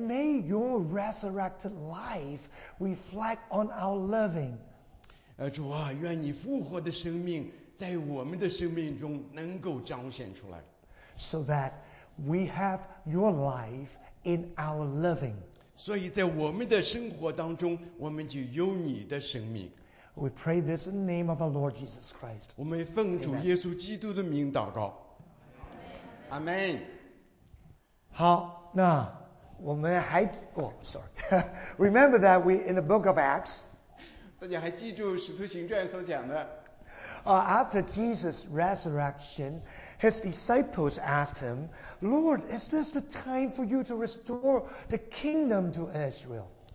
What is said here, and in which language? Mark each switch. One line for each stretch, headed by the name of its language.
English: may your resurrected life reflect on our living.
Chinese: 主啊，愿你复活的生命在我们的生命中能够彰显出来。
English: So that we have your life in our living.
Chinese: 所以在我们的生活当中，我们就有你的生命。
English: We pray this in the name of our Lord Jesus Christ.
Chinese: 我们奉主耶稣基督的名祷告。
English: Amen.
Chinese: 好，那我们还，哦，
English: sorry. Remember that we in the book of Acts.
Chinese: 大家还记住使徒行传所讲的。
English: After Jesus' resurrection, his disciples asked him, Lord, is this the time for you to restore the kingdom to Israel?